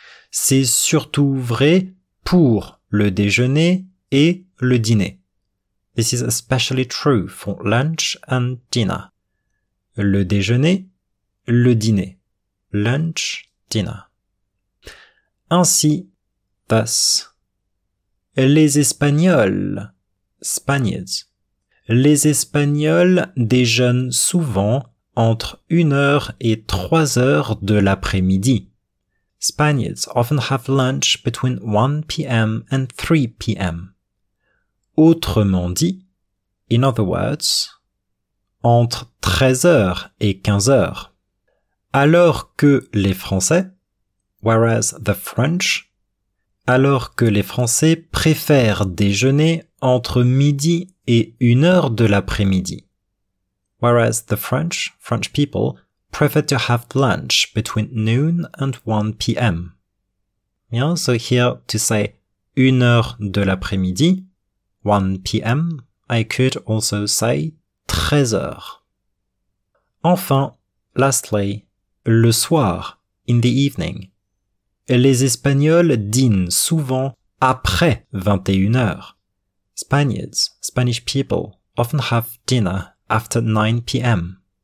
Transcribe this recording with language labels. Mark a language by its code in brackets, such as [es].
[fr] C'est surtout vrai pour le déjeuner et le dîner. [en] This is especially true for lunch and dinner. [fr] Le déjeuner, le dîner. [en] Lunch, dinner. [fr] Ainsi, thus, les Espagnols, Spaniards, les Espagnols déjeunent souvent entre 1h et 3h de l'après-midi. [en] Spaniards often have lunch between 1 p.m. and 3 p.m. [fr] Autrement dit, [en] in other words, [fr] entre 13h et 15h. Alors que les Français, [en] whereas the French, [fr] alors que les Français préfèrent déjeuner entre midi et 1h de l'après-midi. [en] Whereas the French, French people, prefer to have lunch between noon and 1 p.m. Yeah, so here to say [fr] 1h de l'après-midi, [en] 1 p.m, I could also say 13h. [fr] Enfin, [en] lastly, [fr] le soir, [en] in the evening. [fr] Les Espagnols dînent souvent après 21h. [en] Spaniards, Spanish people, often have dinner after 9 p.m.